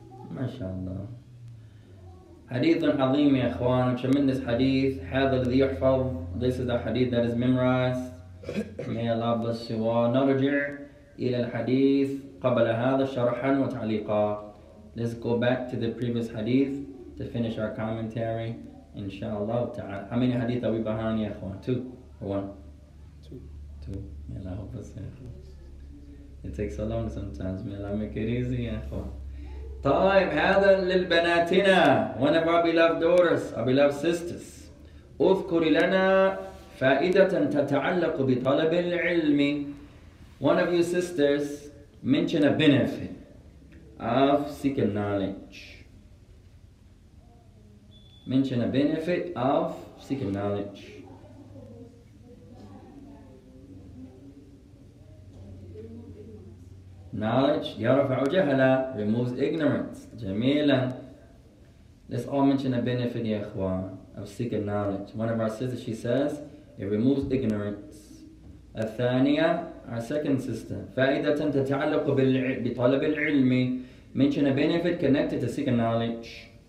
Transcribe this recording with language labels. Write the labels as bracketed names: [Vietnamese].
[Arabic] ما شاء الله، حديث عظيم يا اخوان. [English] Tremendous حديث. [Arabic] هذا الذي يحفظ. [English] This is a hadith that is memorized. May Allah bless you all. [Arabic] نرجع إلى الحديث قبل هذا شرحا وتعليقا. [English] Let's go back to the previous hadith to finish our commentary. Inshallah ta'ala. How many hadith are we behind, ya اخوان? Two or one? Two. Two. May Allah help us, ya اخوان. It takes so long sometimes. May Allah make it easy, ya اخوان. [Arabic] طيب هذا للبناتنا. [English] One of our beloved daughters, our beloved sisters. [Arabic] اذكر لنا فائدة تتعلق بطلب العلم. [English] One of you sisters mention a benefit of seeking knowledge. Mention a benefit of seeking knowledge. Knowledge, [Arabic] يَرَفَعُ جَهَلًا, [English] removes ignorance. [Arabic] جَمِيلًا. [English] Let's all mention a benefit, [Arabic] يا اخوان, [English] of seeking knowledge. One of our sisters, she says, it removes ignorance. [Arabic] الثانية, [English] our second sister, [Arabic] فَائِدَةً تَتَعَلَّقُ بِطَلَبِ الْعِلْمِ. [English] Mention a benefit connected to seeking knowledge.